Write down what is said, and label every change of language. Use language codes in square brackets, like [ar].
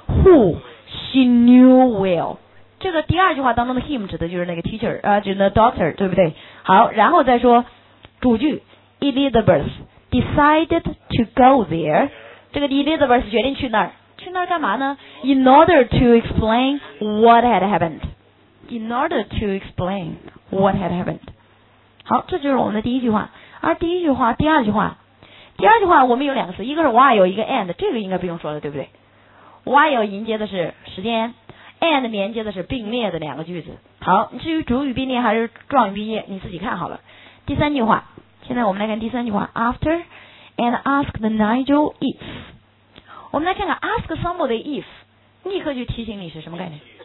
[en] Who she knew well， [zh] 这个第二句话当中的 him 指的就是那个 teacher， 指的 doctor， 对不对？好，然后再说主句 [en] Elizabeth decided to go there， [zh] 这个 Elizabeth 决定去那儿，去那儿干嘛呢？ [en] In order to explain what had happened， In order to explain what had happened。 [zh] 好，这就是我们的第一句话。而第一句话第二句话我们有两个词，一个是 while 一个 and， 这个应该不用说了，对不对？ while 迎接的是时间， and 连接的是并列的两个句子。好，至于主语并列还是状语并列你自己看好了。第三句话，现在我们来看第三句话， [en] after and ask the Nigel if， [zh] 我们来看看 [en] ask somebody if [zh] 立刻就提醒你是什么概念。